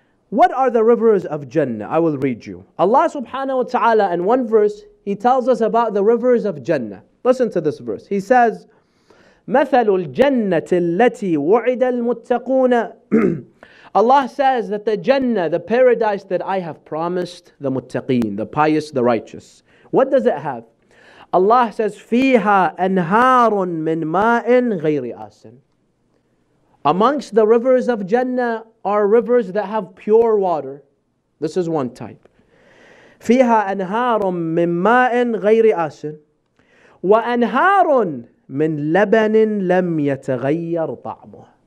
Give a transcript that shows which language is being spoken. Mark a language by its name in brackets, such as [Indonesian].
[English] What are the rivers of Jannah? I will read you. Allah subhanahu wa ta'ala in one verse, He tells us about the rivers of Jannah. Listen to this verse. He says, [Arabic] مَثَلُ الْجَنَّةِ الَّتِي وُعِدَ الْمُتَّقُونَ. [English] Allah says that the Jannah, the paradise that I have promised, the muttaqeen, the pious, the righteous. What does it have? [Arabic] Allah says, فِيهَا أَنْهَارٌ مِنْ مَاءٍ غَيْرِ آسٍ. [English] Amongst the rivers of Jannah are rivers that have pure water. This is one type. [Arabic] فِيهَا أَنْهَارٌ مِنْ مَاءٍ غَيْرِ آسٍ وَأَنْهَارٌ مِنْ لَبَنٍ لَمْ يَتَغَيَّرْ طَعْمُهُ.